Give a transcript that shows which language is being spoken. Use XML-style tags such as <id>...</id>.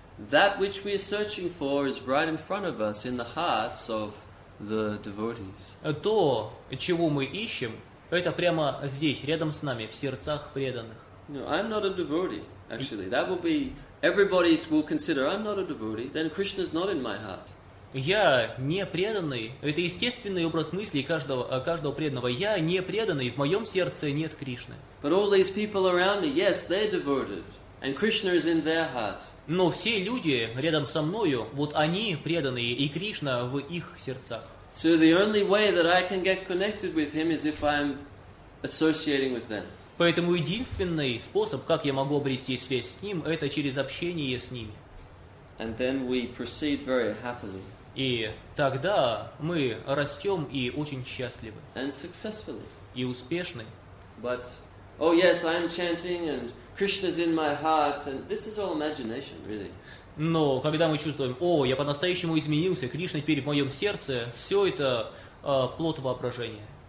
<en>That which we are searching for is right in front of us in the hearts of the devotees.</en> <ru>То, чего мы ищем, это прямо здесь, рядом с нами, в сердцах преданных.</ru> <en>I'm not a devotee, actually. That will be everybody will consider I'm not a devotee, then Krishna's not in my heart.</en> <ru>Я не преданный. Это естественный образ мысли каждого преданного. Я не преданный. В моем сердце нет Кришны.</ru> <en>But all these people around me, yes, they're devoted, and Krishna is in their heart.</en> <ru>Но все люди рядом со мною, вот они преданные, и Кришна в их сердцах.</ru> <en>So the only way that I can get connected with him is if I'm associating with them.</en> <ru>Поэтому единственный способ, как я могу обрести связь с ним, это через общение с ними.</ru> <en>And then we proceed very happily.</en> <ru>И тогда мы растем и очень счастливы.</ru> <en>And successfully.</en> <ru>И успешны.</ru> <en>But, oh yes, I'm chanting and Krishna's in my heart. And this is all imagination, really.</en> <ru>Но когда мы чувствуем, о, я по-настоящему изменился, Кришна теперь в моем сердце, все это плод воображения.</ru>